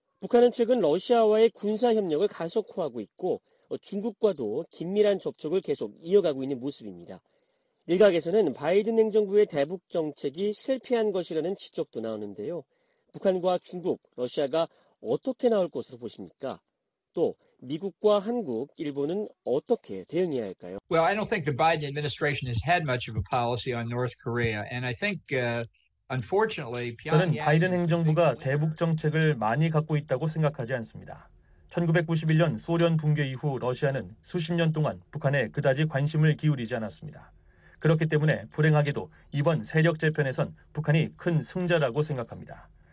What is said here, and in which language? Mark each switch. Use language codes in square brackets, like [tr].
[ko] 북한은 최근 러시아와의 군사협력을 가속화하고 있고 중국과도 긴밀한 접촉을 계속 이어가고 있는 모습입니다. 일각에서는 바이든 행정부의 대북정책이 실패한 것이라는 지적도 나오는데요. 북한과 중국, 러시아가 어떻게 나올 것으로 보십니까? 또 미국과 한국, 일본은 어떻게 대응해야 할까요? [en] Well, I don't think the Biden administration has had much of a policy on North Korea. And I think... [ko] 저는 바이든 행정부가 대북 정책을 많이 갖고 있다고 생각하지 않습니다. 1991년 소련 붕괴 이후 러시아는 수십 년 동안 북한에 그다지 관심을 기울이지 않았습니다. 그렇기 때문에 불행하게도 이번 세력 재편에선 북한이 큰 승자라고 생각합니다.